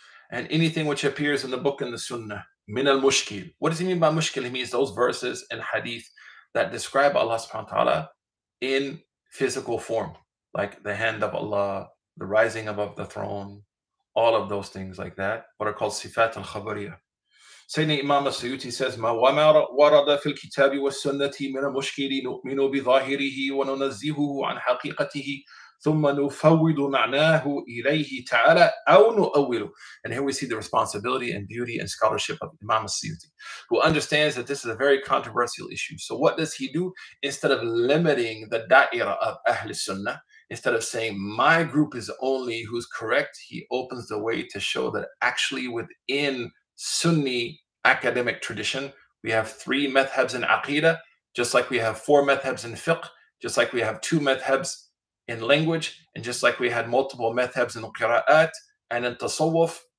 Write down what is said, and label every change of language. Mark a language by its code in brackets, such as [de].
[en] And anything which appears in the book and the sunnah. [ar] مِنَ الْمُشْكِلِ. [en] What does he mean by mushkil? He means those verses and hadith that describe Allah subhanahu wa ta'ala in physical form. Like the hand of Allah, the rising above the throne, all of those things like that. What are called sifat al-khabariyah. [ar] Sayyidina Imam al-Suyutti says, وَمَا وَرَضَ فِي الْكِتَابِ وَالسُنَّةِ مِنَ مُشْكِلِ نُؤْمِنُ بِظَاهِرِهِ وَنُنَزِّهُهُ عَنْ حَقِيقَتِهِ ثُمَّ نُفَوِّدُ مَعْنَاهُ إِلَيْهِ تَعَالَى أَوْ نُؤَوِّلُ. [en] And here we see the responsibility and beauty and scholarship of Imam al-Suyutti, who understands that this is a very controversial issue. So what does he do? Instead of limiting the da'irah of Ahl al-Sunnah, instead of saying my group is only who's correct, he opens the way to show that actually within Sunni academic tradition, we have three madhabs in aqidah, just like we have four madhabs in fiqh, just like we have two madhabs in language, and just like we had multiple madhabs in qira'at and in tasawwuf.